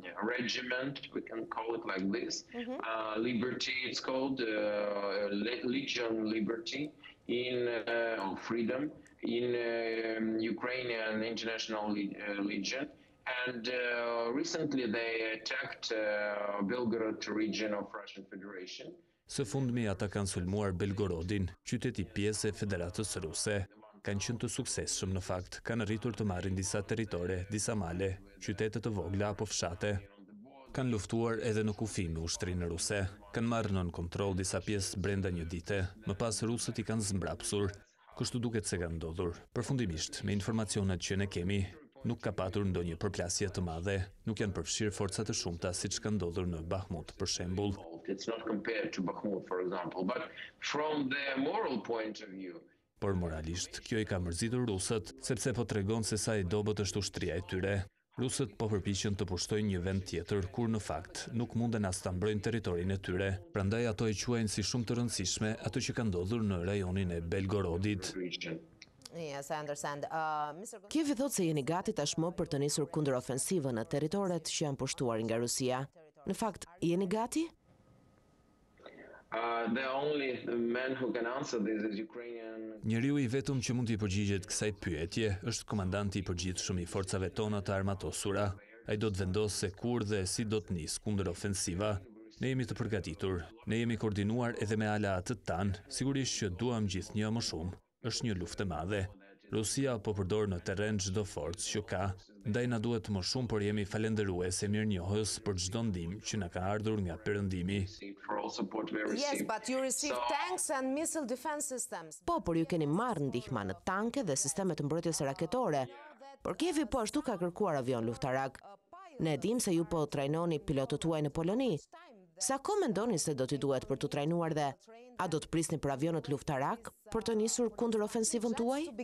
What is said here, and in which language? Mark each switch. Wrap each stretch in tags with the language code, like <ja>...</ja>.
<en>Regiment, we can call it like this. Liberty, it's called Legion Liberty in Freedom in Ukrainian International Legion. And recently they attacked Belgorod region of Russian Federation.</en> <sq>Së fundmi ata kanë sulmuar Belgorodin, qyteti pjesë e Federatës Ruse. Kanë qenë të suksesshëm në fakt, kanë rritur të marrin disa territore, disa male, qytete të vogla apo fshate. Kanë luftuar edhe në kufi me ushtrinë ruse, kanë marrë nën kontroll disa pjesë brenda një dite, më pas rusët i kanë zmbrapsur, kështu duket se kanë ndodhur. Përfundimisht, me informacionet që ne kemi, nuk ka patur ndonjë përplasje të madhe, nuk janë përfshirë forcat të shumta siç ka ndodhur në Bahmut, për shembull.</sq> <en>It's not compared to Bahmut, for example, but from the moral point of view,</en> <sq>por moralisht, kjo i ka mërzitur rusët, sepse po tregon se sa i dobët është ushtria e tyre. Rusët po përpiqen të pushtojnë një vend tjetër, kur në fakt nuk munden as ta mbrojnë territorin e tyre. Prandaj ato e quajnë si shumë të rëndësishme ato që ka ndodhur në rajonin e Belgorodit.</sq> <en>Yes, I understand.</en> <sq>Kjevi thot se jeni gati tashmë për të nisur kundër ofensivën në territoret që janë pushtuar nga Rusia. Në fakt, jeni gati?</sq> <en>The only man who can answer this is Ukrainian.</en> <sq>Njeriu i vetëm që mund t'i përgjigjet kësaj pyetje është komandanti i përgjithshëm i forcave tona të armatosura. Ai do të vendosë se kur dhe si do të nisë kundër ofensiva. Ne jemi të përgatitur. Ne jemi koordinuar edhe me ala atë tan. Sigurisht që duam gjithnjë më shumë. Është një luftë e madhe. Rusia po përdor në terren çdo forcë që ka. Ndaj na duhet më shumë, por jemi falënderues e mirënjohës për çdo ndihmë që na ka ardhur nga Perëndimi.</sq> <en>Yes, but you received tanks and missile defense systems.</en> <sq>Po, por ju keni marrë ndihma në tanke dhe sisteme të mbrojtjes raketore. Por Kievi po ashtu ka kërkuar avion luftarak. Ne dim se ju po trajnoni pilotët tuaj në Poloni. Sa ko mendoni se do t'i duhet për t'u trajnuar dhe a do të prisni për avionet luftarak për të nisur kundër ofensivën tuaj?</sq>